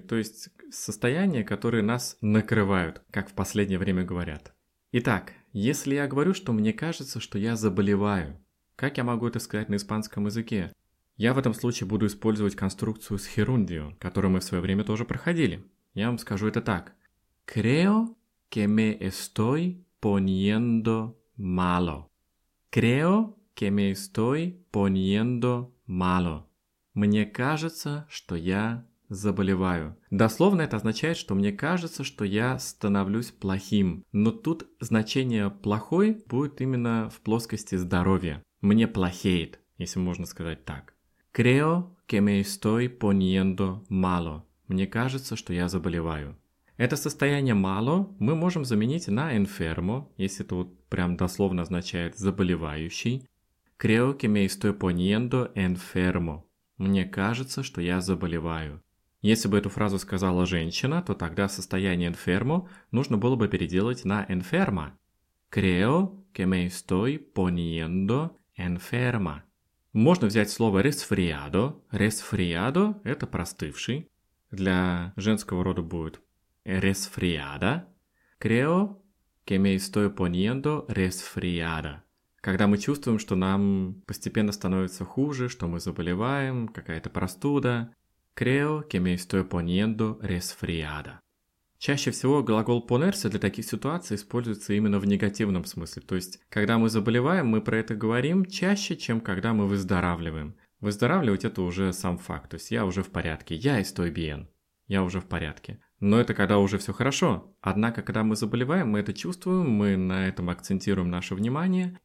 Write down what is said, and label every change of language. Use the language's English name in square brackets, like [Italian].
[Russian] То есть состояния, которые нас накрывают, как в последнее время говорят. Итак, если я говорю, что мне кажется, что я заболеваю, как я могу это сказать на испанском языке? Я в этом случае буду использовать конструкцию с gerundio, которую мы в свое время тоже проходили. Я вам скажу это так. [Spanish] Creo que me estoy poniendo malo. Creo que me estoy poniendo malo. [Russian] Мне кажется, что я заболеваю. Дословно это означает, что мне кажется, что я становлюсь плохим. Но тут значение «плохой» будет именно в плоскости здоровья. Мне плохеет, если можно сказать так. Creo que me estoy poniendo malo. Мне кажется, что я заболеваю. Это состояние «мало» мы можем заменить на «enfermo», если это вот прям дословно означает «заболевающий». [Spanish] «Creo que me estoy poniendo enfermo». [Russian] «Мне кажется, что я заболеваю». Если бы эту фразу сказала женщина, то тогда состояние «enfermo» нужно было бы переделать на «enferma». [Spanish] «Creo que me estoy poniendo enferma». [Russian] Можно взять слово «resfriado». «Resfriado» — это «простывший». Для женского рода будет resfriada. [Spanish] Creo que me estoy poniendo resfriada. [Russian] Когда мы чувствуем, что нам постепенно становится хуже, что мы заболеваем, какая-то простуда. [Spanish] Creo que me estoy poniendo resfriada. [Russian] Чаще всего глагол ponerse для таких ситуаций используется именно в негативном смысле. То есть, когда мы заболеваем, мы про это говорим чаще, чем когда мы выздоравливаем. Выздоравливать это уже сам факт. То есть, я уже в порядке. Я [Spanish] estoy bien. [Russian] Я уже в порядке. Но это когда уже все хорошо. Однако, когда мы заболеваем, мы это чувствуем, мы на этом акцентируем наше внимание.